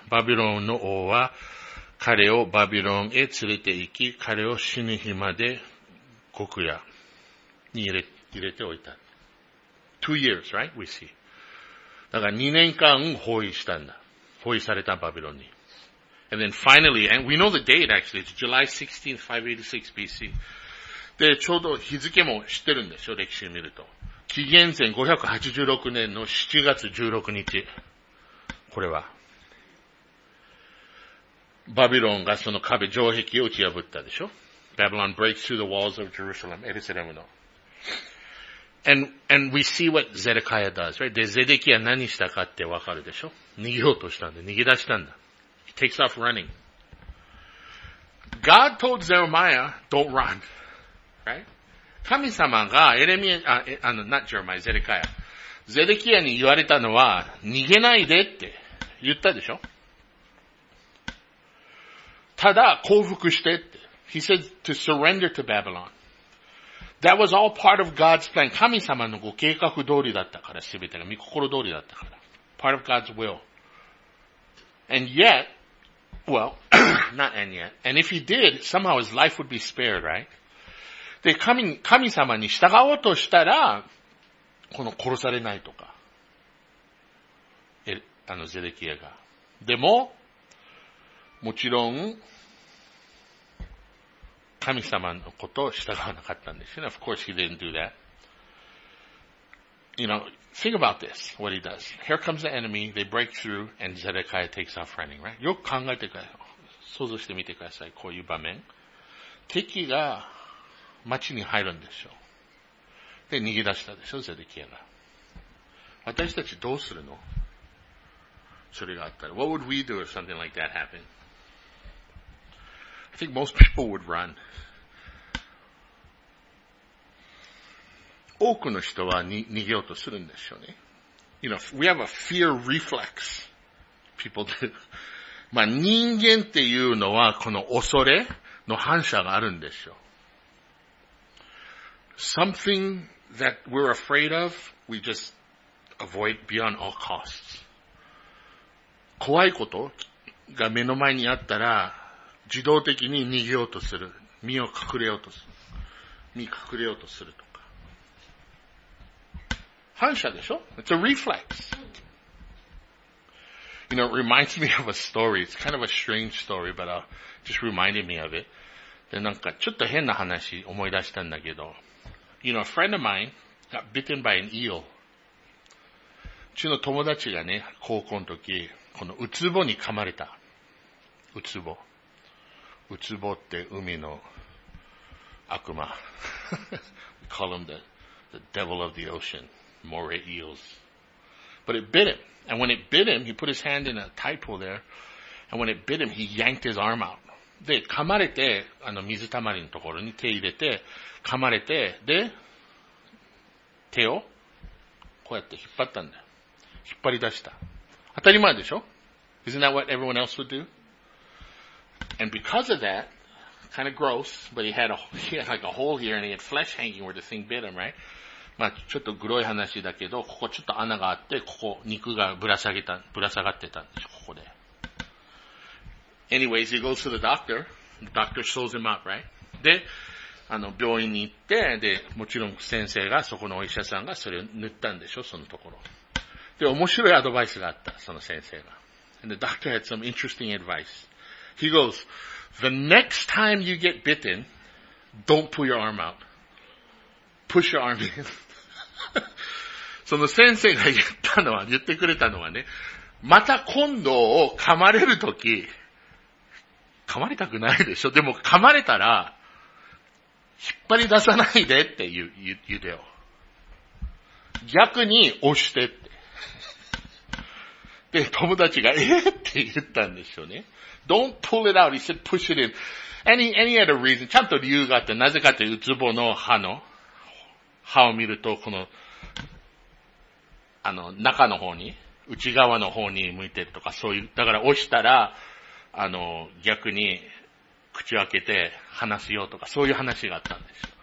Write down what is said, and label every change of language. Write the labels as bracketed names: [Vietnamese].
[Japanese] バビロンの王は彼をバビロンへ連れて行き、彼を死ぬ日まで獄屋に入れておいた。 [English] 2 years, right? We see. [Japanese] だから2年間包囲したんだ。包囲されたバビロンに。 [English] And then finally, and we know the date actually, it's July 16th, 586 BC. [Japanese] で、ちょうど日付も知ってるんでしょ、歴史を見ると。紀元前586年の7月16日。これは。バビロンがその壁、城壁を打ち破ったでしょ。 [English] Babylon breaks through the walls of Jerusalem, エルサレムの。And we see what Zedekiah does, right? [Japanese] で、ゼデキア何したかってわかるでしょ。逃げようとしたんだ。逃げ出したんだ。 [English] He takes off running. God told Jeremiah, don't run. Right? [Japanese] 神様がエレミア、 [English] not Jeremiah, Zedekiah. [Japanese] ゼデキアに言われたのは、逃げないでって言ったでしょ。ただ、降伏してって。 [English] He said to surrender to Babylon. That was all part of God's plan. [Japanese] 神様のご計画通りだったから、すべてが。御心通りだったから。 [English] Part of God's will. And yet, well, not and yet. And if he did, somehow his life would be spared, right? [Japanese] で、神様に従おうとしたら、この殺されないとか。ゼデキヤが。でも、もちろん、神様のことを従わなかったんですよね。 [English] Of course he didn't do that. You know, think about this, what he does. Here comes the enemy, they break through, and Zedekiah takes off running, right? [Japanese] よく考えてください。想像してみてください。こういう場面。敵が街に入るんでしょう。で、逃げ出したでしょ、ゼデキヤが。私たちどうするの？それがあったら。 [English] What would we do if something like that happened? I think most people would run. [Japanese] 多くの人は逃げようとするんでしょうね。 [English] You know, we have a fear reflex. People do. [Japanese] まあ人間っていうのはこの恐れの反射があるんでしょう。 [English] Something that we're afraid of, we just avoid beyond all costs. [Japanese] 怖いことが目の前にあったら自動的に逃げようとする。身を隠れようとする。身隠れようとするとか。反射でしょ？ [English] It's a reflex. You know, it reminds me of a story. It's kind of a strange story, but just reminded me of it. [Japanese] で、なんかちょっと変な話思い出したんだけど。 [English] You know, a friend of mine got bitten by an eel. [Japanese] うちの友達がね、高校の時、このうつぼに噛まれた。うつぼ。ウツボって海の悪魔。 [English] We call him the devil of the ocean. Moray eels. But it bit him. And when it bit him, he put his hand in a tide pool there. And when it bit him, he yanked his arm out. [Japanese] で、噛まれて、あの水たまりのところに手入れて、噛まれて、で、手をこうやって引っ張ったんだよ。引っ張り出した。当たり前でしょ？ [English] Isn't that what everyone else would do? And because of that, kind of gross, but he had like a hole here and he had flesh hanging where the thing bit him, right? [Japanese] まあちょっとグロい話だけど、ここちょっと穴があって、ここ肉がぶら下がってたんです、ここで。 [English] Anyways, he goes to the doctor. The doctor shows him up, right? で、 [Japanese] あの病院に行って、で、もちろん先生が、そこのお医者さんがそれを塗ったんでしょ、そのところ。で、面白いアドバイスがあった、その先生が。 [English] And the doctor had some interesting advice. He goes, the next time you get bitten, don't pull your arm out. Push your arm in. [Japanese] その先生が言ってくれたのはね、また今度を噛まれるとき、噛まれたくないでしょ。でも噛まれたら、引っ張り出さないでって言うでよ。逆に押してって。で、友達が、って言ったんでしょうね。 [English] Don't pull it out. He said, push it in. Any other reason? [Japanese] ちゃんと理由があって、なぜかって、ウツボの歯を見ると、この、あの、中の方に、内側の方に向いてとか、そういう、だから押したら、あの、逆に、口を開けて話すよとか、そういう話があったんです。